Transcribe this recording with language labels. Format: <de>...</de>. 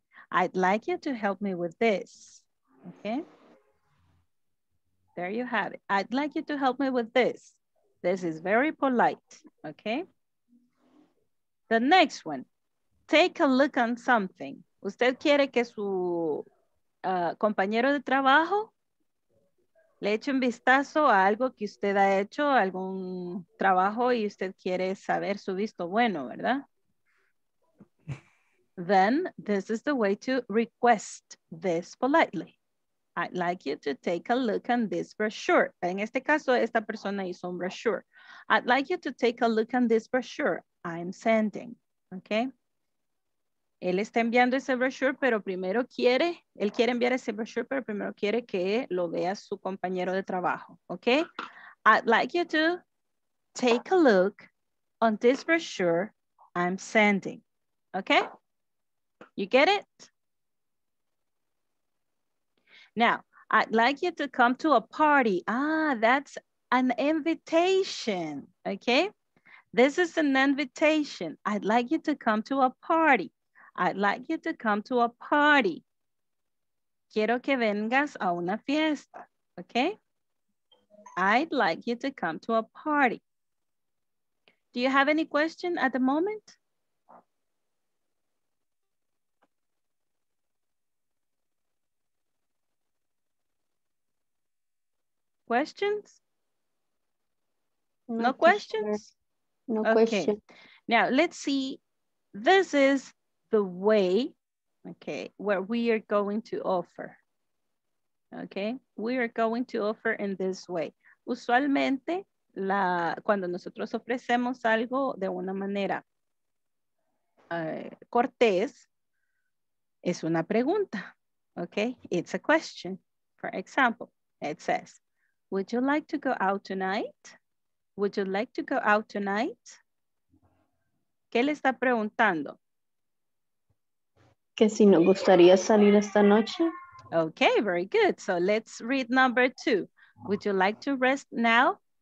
<en>I'd like you to help me with this, okay? There you have it. I'd like you to help me with this. This is very polite, okay? The next one, take a look on something.</en> <es>¿Usted quiere que su compañero de trabajo le eche un vistazo a algo que usted ha hecho, algún trabajo, y usted quiere saber su visto bueno, ¿verdad?</es> <en>Then, this is the way to request this politely. I'd like you to take a look on this brochure.</en> <es>En este caso, esta persona hizo un brochure.</es> <en>I'd like you to take a look on this brochure I'm sending, okay?</en> <es>Él está enviando ese brochure, pero primero quiere, él quiere enviar ese brochure, pero primero quiere que lo vea su compañero de trabajo, okay?</es> <en>I'd like you to take a look on this brochure I'm sending, okay? You get it? Now, I'd like you to come to a party. Ah, that's an invitation, okay? This is an invitation. I'd like you to come to a party. I'd like you to come to a party.</en> <es>Quiero que vengas a una fiesta,</es> <en>okay? I'd like you to come to a party. Do you have any question at the moment? Questions? No questions? Now let's see, this is the way, okay, where we are going to offer, okay? We are going to offer in this way.</en> <es>Usualmente, cuando nosotros ofrecemos algo de una manera cortés, es una pregunta, okay?</es> <en>It's a question. For example, it says, would you like to go out tonight? Would you like to go out tonight?</en> <es>¿Qué le está preguntando? Que si nos gustaría salir esta noche.</es> <en>Okay, very good. So let's read number two. Would you like to rest now?</en>